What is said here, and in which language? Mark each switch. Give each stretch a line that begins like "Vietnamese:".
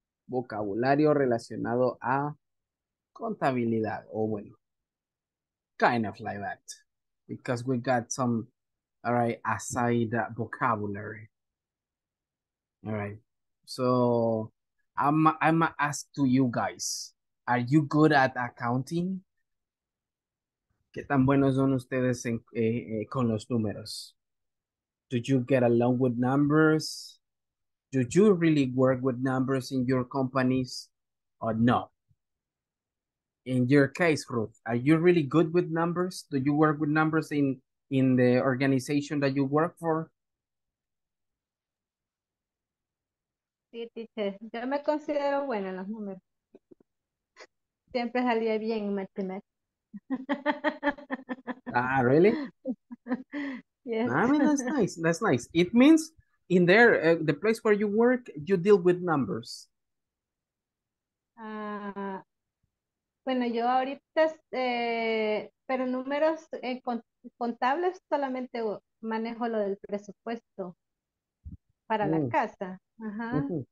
Spanish: Vocabulario relacionado a contabilidad, o bueno,
English: kind of like that, because we got some, all right, aside vocabulary, all right? So I'm ask to you guys, are you good at accounting?
Spanish: ¿Qué tan buenos son ustedes en, con los números?
English: Do you get along with numbers? Do you really work with numbers in your companies or no? In your case, Ruth, are you really good with numbers? Do you work with numbers in the organization that you work for?
Spanish: Sí, teacher. Yo me considero buena en los números. Siempre salía bien en matemáticas.
English: Ah, really? Yes. I mean, that's nice. That's nice. It means in there, the place where you work, you deal with numbers.
Spanish: Bueno, yo ahorita, pero números contables solamente manejo lo del presupuesto para la casa. Ajá.